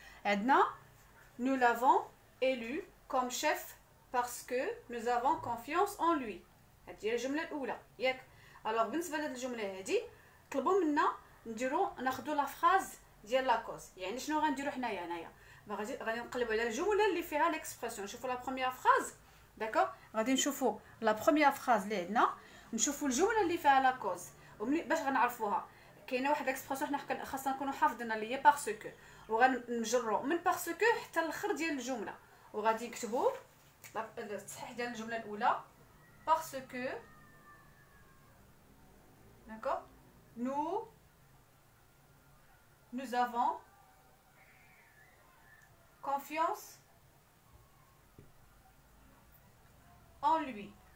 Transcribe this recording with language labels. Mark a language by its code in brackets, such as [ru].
[ar] عندنا [fr] nous l'avons élu comme chef parce que nous avons confiance en lui. [ar] هادي هي الجمله الاولى ياك. الوغ بالنسبه لهاد الجمله هادي، طلبوا منا نديرو ناخذوا لا فراز ديال لا كوز. يعني شنو غنديرو حنايا؟ هنايا غادي نقلبوا على الجمله اللي فيها ليكسبرسيون. نشوفوا لا بروميير فراز داكور، غادي نشوفوا لا بروميير فراز اللي عندنا، نشوفوا الجمله اللي فيها لا كوز باش غنعرفوها. كاينه واحد ليكسبرسيون حنا خاصنا نكونوا حافظينها اللي هي باغسكو، وغنجرو من باغسكو حتى الاخر ديال الجمله، وغادي نكتبوا التصحيح ديال الجمله الاولى باغسكو داكور. [fr] Nous avons confiance en lui.